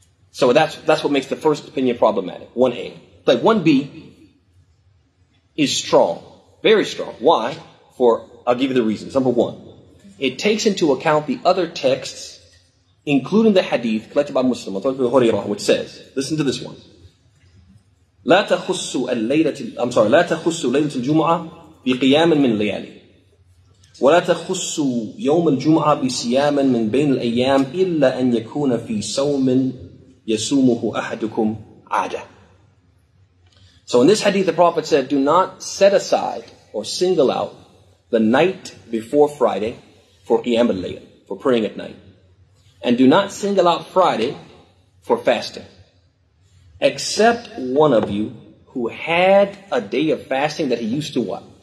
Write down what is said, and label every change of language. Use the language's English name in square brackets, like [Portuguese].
[English] So that's what makes the first opinion problematic. 1A. Like 1B is strong. Very strong. Why? I'll give you the reasons. Number one, it takes into account the other texts, including the hadith collected by Muslim, which says, listen to this one. [Arabic] لا تخصوا ليلة الجمعة بقيام من الليالي ولا تخصوا يوم الجمعة بصيام من بين الأيام إلا أن يكون في صوم يصومه أحدكم عادة. [English] So in this hadith, the Prophet said, do not set aside or single out the night before Friday for Qiyam al-Layl, for praying at night. And do not single out Friday for fasting. Except one of you who had a day of fasting that he used to what?